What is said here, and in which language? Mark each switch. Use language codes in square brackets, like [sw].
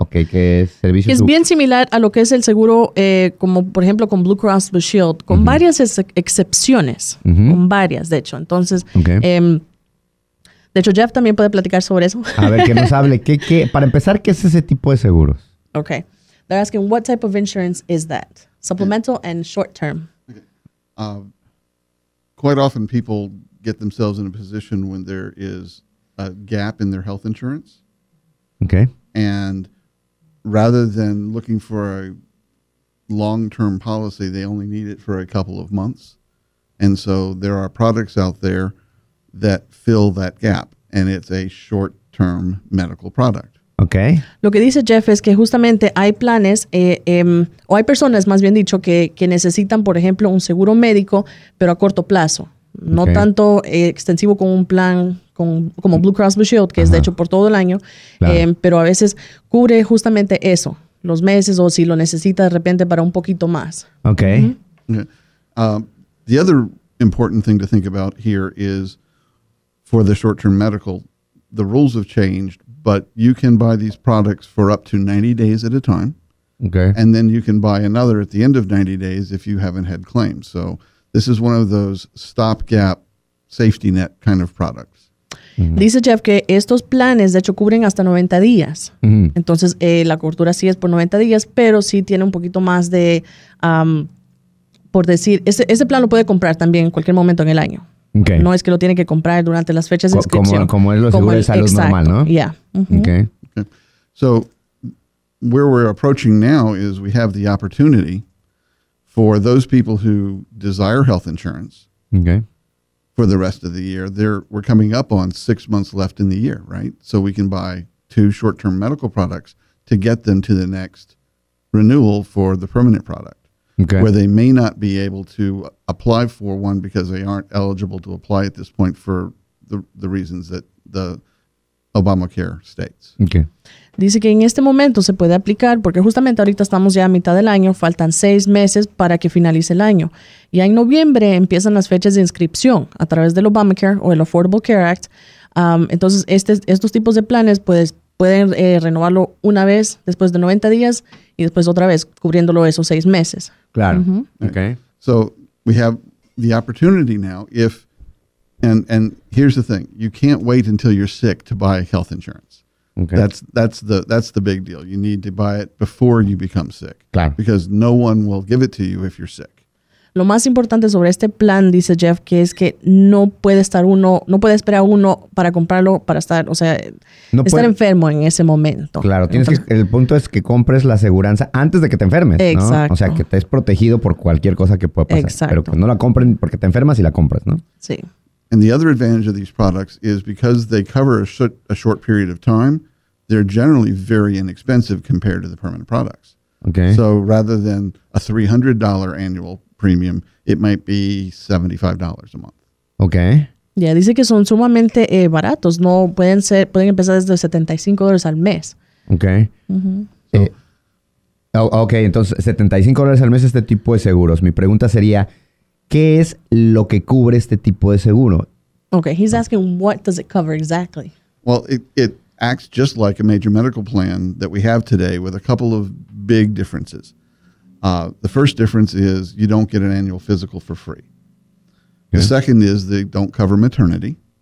[es] Ok, ¿qué es servicio? Es bien similar a lo que es el seguro, como por ejemplo con Blue Cross Blue Shield, con uh-huh. varias excepciones, uh-huh. con varias, de hecho. Entonces, okay. De hecho, Jeff también puede platicar sobre eso. A ver, que nos hable. ¿Qué, para empezar, ¿qué es ese tipo de seguros? Ok. [en] They're asking, what type of insurance is that? Supplemental and Short Term. Quite often people get themselves in a position when there is a gap in their health insurance. Okay. And rather than looking for a long-term policy, they only need it for a couple of months. And so there are products out there that fill that gap, and it's a short-term medical product. Okay. [es] Lo que dice Jeff es que justamente hay planes, o hay personas, más bien dicho, que necesitan, por ejemplo, un seguro médico, pero a corto plazo. No okay. tanto extensivo como un plan como Blue Cross Blue Shield, que ajá. es de hecho por todo el año, claro. Pero a veces cubre justamente eso, los meses, o si lo necesita de repente para un poquito más. Okay. Mm-hmm. Yeah. [en] The other important thing to think about here is for the short-term medical, the rules have changed. But you can buy these products for up to 90 days at a time. Okay. And then you can buy another at the end of 90 days if you haven't had claims. So this is one of those stopgap safety net kind of products. Mm-hmm. [es] Dice Jeff que estos planes, de hecho, cubren hasta 90 días. Mm-hmm. Entonces, la cobertura sí es por 90 días, pero sí tiene un poquito más de, por decir, ese plan lo puede comprar también en cualquier momento en el año. Okay. No es que lo tiene que comprar durante las fechas de inscripción. Como es lo seguro de salud exacto. normal, ¿no? Yeah. Mm-hmm. Okay. Okay. [en] So, where we're approaching now is we have the opportunity for those people who desire health insurance okay. for the rest of the year. We're coming up on 6 months left in the year, right? So, we can buy 2 short-term medical products to get them to the next renewal for the permanent product. Okay. Where they may not be able to apply for one because they aren't eligible to apply at this point for the reasons that the Obamacare states. Okay. [es] Dice que en este momento se puede aplicar porque justamente ahorita estamos ya a mitad del año, faltan 6 meses para que finalice el año. Y en noviembre empiezan las fechas de inscripción a través del Obamacare o el Affordable Care Act. Entonces estos tipos de planes pueden renovarlo una vez después de 90 días y después otra vez cubriéndolo esos 6 meses. Claro. Mm-hmm. Okay. [en] So we have the opportunity now if, and here's the thing, you can't wait until you're sick to buy health insurance. Okay. That's the big deal. You need to buy it before you become sick. [es] Claro. [en] Because no one will give it to you if you're sick. [es] Lo más importante sobre este plan, dice Jeff, que es que no puede estar uno, no puede esperar uno para comprarlo, para estar, o sea, no estar puede. Enfermo en ese momento. Claro, el punto es que compres la aseguranza antes de que te enfermes. Exacto. ¿No? O sea, que estés protegido por cualquier cosa que pueda pasar. Exacto. Pero que no la compren porque te enfermas y la compras, ¿no? Sí. [en] And the other advantage of these products is because they cover a short period of time, they're generally very inexpensive compared to the permanent products. Okay. So rather than a $300 annual premium, it might be $75 a month. Okay. [es] Yeah, dice que son sumamente baratos. No pueden ser, pueden empezar desde $75 al mes. Okay. Mm-hmm. So, okay, entonces $75 al mes este tipo de seguros. Mi pregunta sería, ¿qué es lo que cubre este tipo de seguro? [en] Okay, he's asking what does it cover exactly? Well, it acts just like a major medical plan that we have today with a couple of big differences. The first difference is you don't get an annual physical for free. Okay. The second is they don't cover maternity.